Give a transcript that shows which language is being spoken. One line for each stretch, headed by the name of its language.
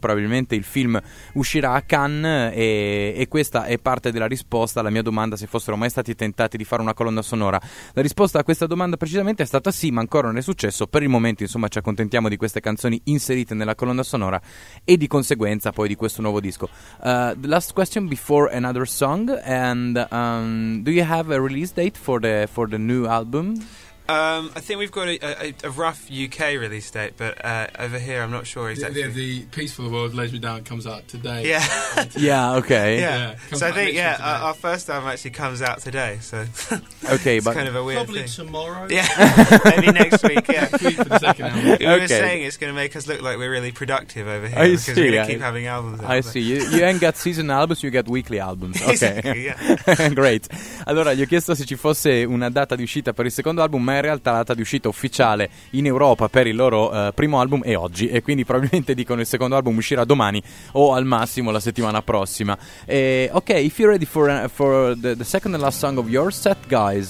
Italian: Probabilmente il film uscirà a Cannes e questa è parte della risposta alla mia domanda se fossero mai stati tentati di fare una colonna sonora. La risposta a questa domanda precisamente è stata sì, ma ancora non è successo. Per il momento, insomma, ci accontentiamo di queste canzoni inserite nella colonna sonora e di conseguenza poi di questo nuovo disco.
English: The last question before another song, and do you have a release date for the new album? I think we've got a rough UK release date, but over here I'm not sure exactly. The Peaceful World Lays Me Down comes out today. Yeah. Yeah, okay. Yeah. So I think our first album actually comes out today, so okay, it's but kind of a weird probably thing. Tomorrow. Yeah. Maybe next week, yeah. For the second album. Okay. We were saying it's going to make us look like we're really productive over here. Keep having albums. You ain't got season albums, you get weekly albums. Okay. Yeah. Great.
Italian: Allora, gli ho chiesto se ci fosse una data di uscita per il secondo album, ma in realtà la data di uscita ufficiale in Europa per il loro primo album è oggi, e quindi probabilmente dicono il secondo album uscirà domani o al massimo la settimana prossima.
English: Ok, if you're ready for the second and last song of your set, guys,